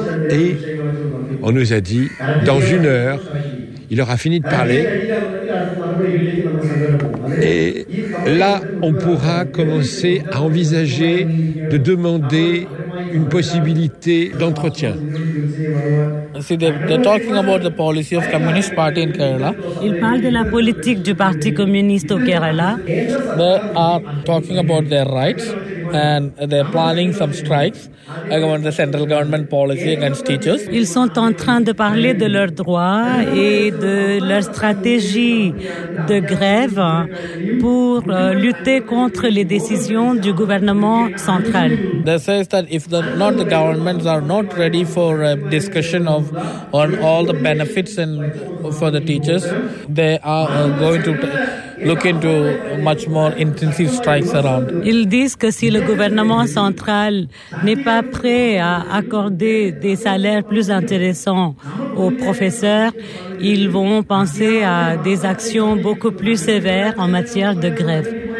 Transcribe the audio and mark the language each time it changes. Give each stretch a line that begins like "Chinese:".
French: Et on nous a dit, dans une heure, il aura fini de parler. Et là, on pourra commencer à envisager de demander une possibilité d'entretien.
English: See, they're talking about the policy of Communist Party in Kerala.
French: Ils parlent de la politique du Parti communiste au Kerala.
English: They are talking about their rights and they're planning some strikes against the central government policy against teachers.
French: Ils sont en train de parler de leurs droits et de leur stratégie de grève pour lutter contre les décisions du gouvernement central.
English: They say that if the, not the governments are not ready for a discussion of on all the benefits and for the teachers, they are going to look into much more intensive strikes around.
French: Ils disent que si le gouvernement central n'est pas prêt à accorder des salaires plus intéressants aux professeurs, ils vont penser à des actions beaucoup plus sévères en matière de grève.